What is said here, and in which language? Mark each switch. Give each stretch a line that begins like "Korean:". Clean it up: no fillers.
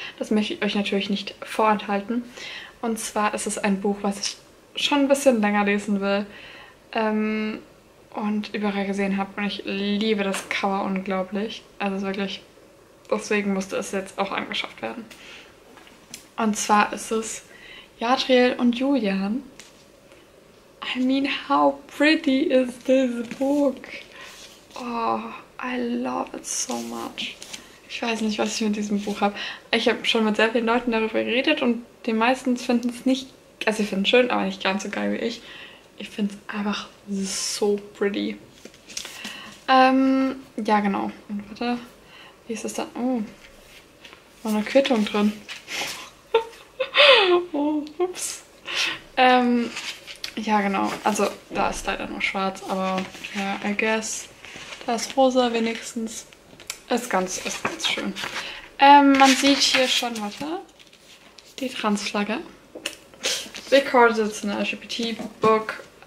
German: Das möchte ich euch natürlich nicht vorenthalten. Und zwar ist es ein Buch, was ich schon ein bisschen länger lesen will und überall gesehen habe. Und ich liebe das Cover unglaublich. Also wirklich, deswegen musste es jetzt auch angeschafft werden. Und zwar ist es Jadriel und Julian.
English: I mean, how pretty is this book? Oh, I love it so much.
German: Ich weiß nicht, was ich mit diesem Buch habe. Ich habe schon mit sehr vielen Leuten darüber geredet und die meisten finden es nicht, also sie finden es schön, aber nicht ganz so geil wie ich. Ich finde es einfach so pretty. Ja, genau. Und warte, wie ist es dann? Oh, war eine Quittung drin. Oh, ups. Ja, genau. Also, da ist leider nur schwarz, aber ja,
English: I guess.
German: Da ist rosa wenigstens. Ist ganz schön. Man sieht hier schon, warte, die Transflagge.
English: Because it's an LGBT-Book.